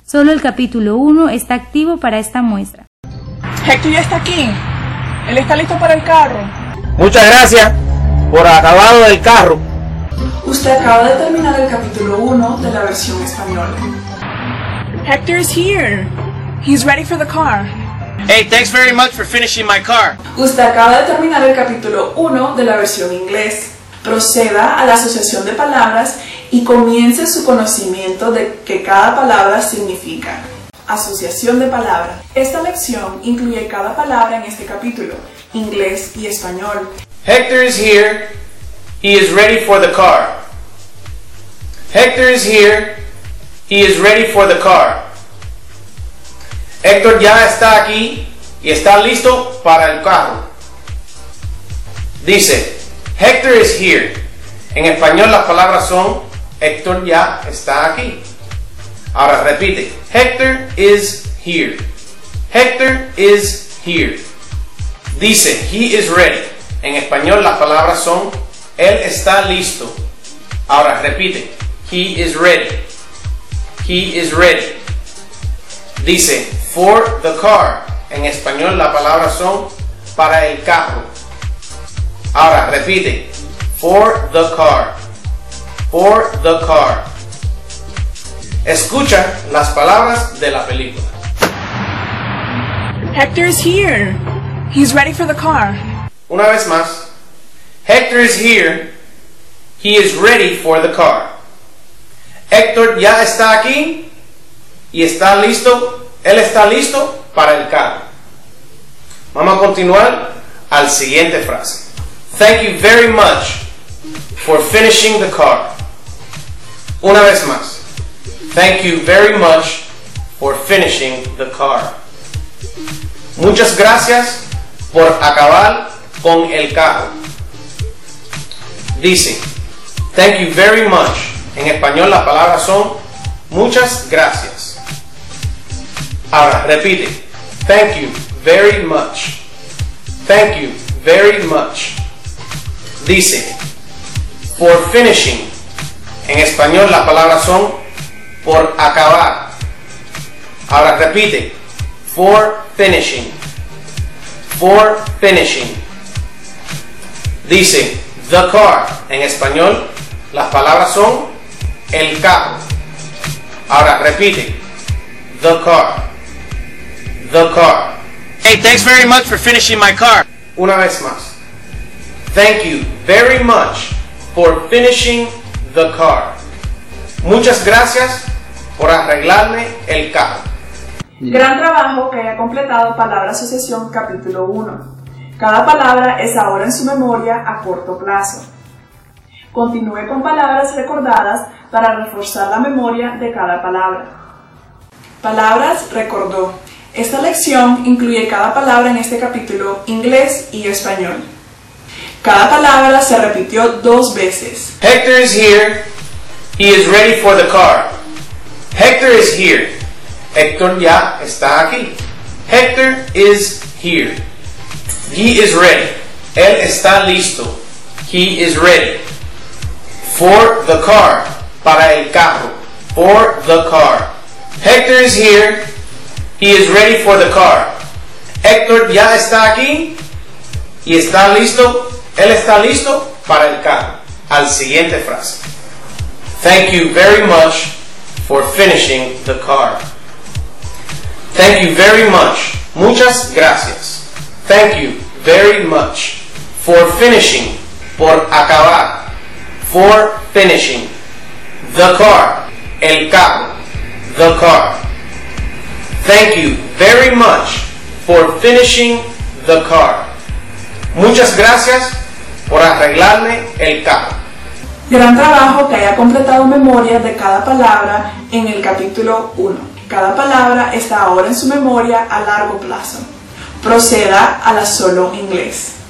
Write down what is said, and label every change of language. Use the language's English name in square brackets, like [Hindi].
[Spanish] Solo el capítulo 1 está activo para esta muestra. Hector ya está aquí. Él está listo para el carro. Muchas gracias por acabado del carro. Usted acaba de terminar el capítulo 1 de la versión española. [English] Hector is here. He's ready for the car. Hey, thanks very much for finishing my car. [Spanish] Usted acaba de terminar el capítulo 1 de la versión inglés. Proceda a la asociación de palabras y comience su conocimiento de qué cada palabra significa. Asociación de palabras. Esta lección incluye cada palabra en este capítulo, inglés y español. [English] Hector is here. He is ready for the car. Hector is here. He is ready for the car. [Spanish] Héctor ya está aquí y está listo para el carro. Dice, [English] Hector is here. [Spanish] En español las palabras son, Héctor ya está aquí. Ahora repite, [English] Hector is here. Hector is here. [Spanish] Dice, [English] he is ready. [Spanish] En español las palabras son, él está listo. Ahora repite, [English] he is ready. He is ready. [Spanish] Dice, [English] for the car. [Spanish] En español la palabra son para el carro. Ahora repite, [English] for the car. For the car. [Spanish] Escucha las palabras de la película. [English] Hector is here. He's ready for the car. [Spanish] Una vez más, [English] Hector is here. He is ready for the car. [Spanish] Héctor ya está aquí y está listo. Él está listo para el carro. Vamos a continuar al siguiente frase. [English] Thank you very much for finishing the car. [Spanish] Una vez más. [English] Thank you very much for finishing the car. [Spanish] Muchas gracias por acabar con el carro. Dice, [English] thank you very much. [Spanish] En español las palabras son muchas gracias. Ahora, repite. [English] Thank you very much. Thank you very much. [Spanish] Dice, [English] for finishing. [Spanish] En español las palabras son por acabar. Ahora, repite. [English] For finishing. For finishing. [Spanish] Dice, [English] the car. [Spanish] En español las palabras son el carro. Ahora, repite. [English] The car. The car. Hey, thanks very much for finishing my car. [Spanish] Una vez más. [English] Thank you very much for finishing the car. [Spanish] Muchas gracias por arreglarme el carro. Gran trabajo que haya completado Palabra Asociación Capítulo 1. Cada palabra es ahora en su memoria a corto plazo. Continúe con palabras recordadas para reforzar la memoria de cada palabra. Palabras recordó. Esta lección incluye cada palabra en este capítulo, inglés y español. Cada palabra se repitió dos veces. [English] Hector is here. He is ready for the car. Hector is here. [Spanish] Hector ya está aquí. [English] Hector is here. He is ready. [Spanish] Él está listo. [English] He is ready. For the car. [Spanish] Para el carro. [English] For the car. Hector is here. He is ready for the car. [Spanish] Héctor ya está aquí y está listo. Él está listo para el carro. Al siguiente frase. [English] Thank you very much for finishing the car. Thank you very much. [Spanish] Muchas gracias. [English] Thank you very much for finishing. [Spanish] Por acabar. [English] For finishing. The car. [Spanish] El carro. [English] The car. Thank you very much for finishing the car. [Spanish] Muchas gracias por arreglarme el carro. Gran trabajo que haya completado memoria de cada palabra en el capítulo 1. Cada palabra está ahora en su memoria a largo plazo. Proceda a la solo inglés.